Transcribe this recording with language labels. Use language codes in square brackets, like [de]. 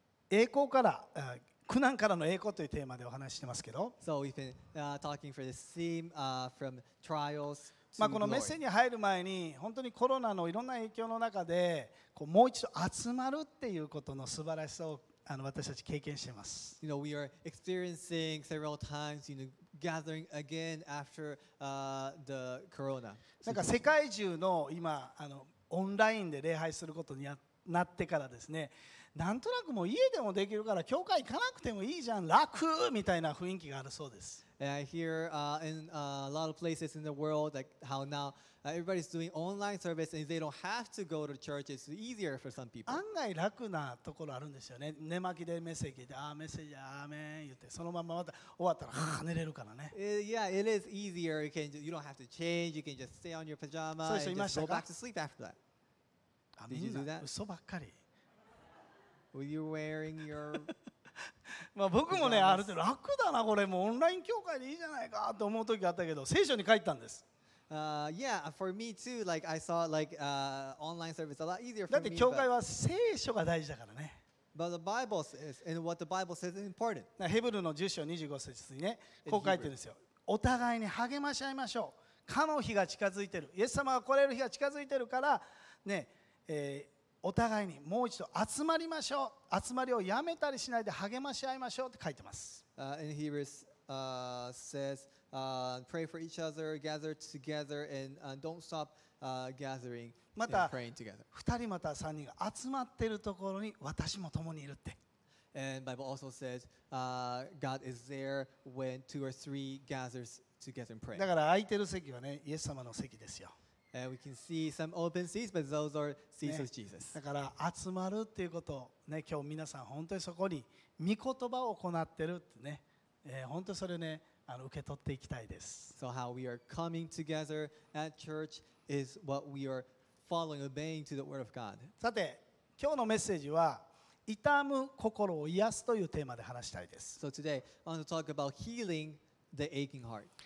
[ja] 栄光から、苦難からの栄光というテーマでお話してますけど。 [en] So we've been talking for this theme from trials to glory. [ja] まあこのメッセージに入る前に、本当にコロナのいろんな影響の中で、こうもう一度集まるっていうことの素晴らしさを私たち経験しています。 [en] You know, we are experiencing several times, you know, gathering again after the corona. [ja] なんか世界中の今オンラインで礼拝することになってからですね、なんとなくもう家でもできるから教会行かなくてもいいじゃん、楽みたいな雰囲気があるそうです。 [en] And I hear in a lot of places in the world, like how nowEverybody's doing online service and they don't have to go to church. It's easier for some people. [ja] 案外楽なところあるんですよね。寝巻きでメッセージ聞いて、ああ、メッセージ、アーメン言って、そのまままた終わったら、ああ、寝れるからね。 [en] Yeah, it is easier. You don't have to change. You can just stay on your pajama and just go back to sleep after that. Did you do that? [ja] 嘘ばっかり。 [en] Were you wearing your... [ja] まあ僕もね、ある程度楽だな、これ。もうオンライン教会でいいじゃないかと思うときあったけど、聖書に書いたんです。 [en] Yeah, for me too. Like I saw like online service a lot easier for [ja] me. だって教会は聖書が大事だからね。 [en] But the Bible says, and what the Bible says is important. [ja] ヘブルの10章25節にね、こう書いてるんですよ。お互いに励まし合いましょう。かの日が近づいてる。イエス様が来れる日が近づいてるからね、お互いにもう一度集まりましょう。集まりをやめたりしないで励まし合いましょうって書いてます。 [en] In Hebrews says. Pray for each other, gather together, and don't stop gathering and praying together. [ja] 2人また3人が集まっているところに私も共にいるって。 [en] And Bible also says, God is there when two or three gathers together and pray. [ja] だから空いてる席はね、イエス様の席ですよ。 [en] And we can see some open seats, but those are seats of Jesus. [ja] だから集まるっていうことね、今日皆さん本当にそこに御言葉を行ってるってね、本当それね。受け取っていきたいです。 [en] So how we are coming together at church is what we are following, obeying to the word of God. [ja] さて、今日のメッセージは痛む心を癒すというテーマで話したいです。 [en] So today I want to talk about healing the aching heart.